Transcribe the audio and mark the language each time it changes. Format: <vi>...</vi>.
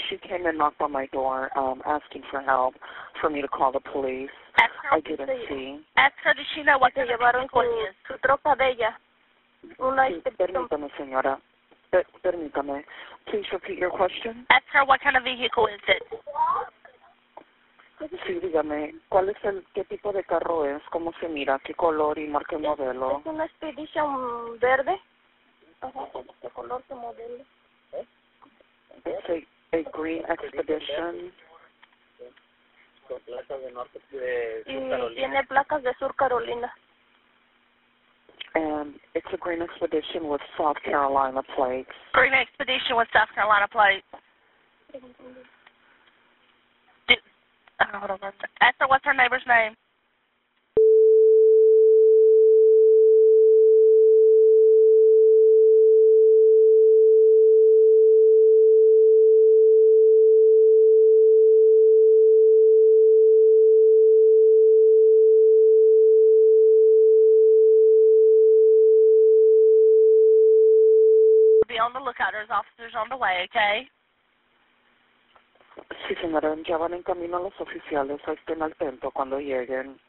<en>She came and knocked on my door asking for help, for me to call the police. Ask her, I didn't see. Ask her, did she know what</en> <es>se llevaron su troca de ella? Una sí, permítame, señora. Permítame.</es> <en>Please repeat your question. Ask her, what kind of vehicle is it?</en> <es>Sí, dígame, ¿cuál es el, qué tipo de carro es? ¿Cómo se mira? ¿Qué color y marca y modelo? Es una Expedition verde. ¿Qué color, qué modelo?</es> <en>Es a green Expedition.</en> <es>Y tiene placas de Sur Carolina.</es> <en>it's a Green Expedition with South Carolina plates. Green Expedition with South Carolina plates. Ask her what's her neighbor's name. On the lookout, there's officers on the way, okay?</en> <es>Sí, señora, ya van en camino los oficiales, estén al tanto cuando lleguen.</es>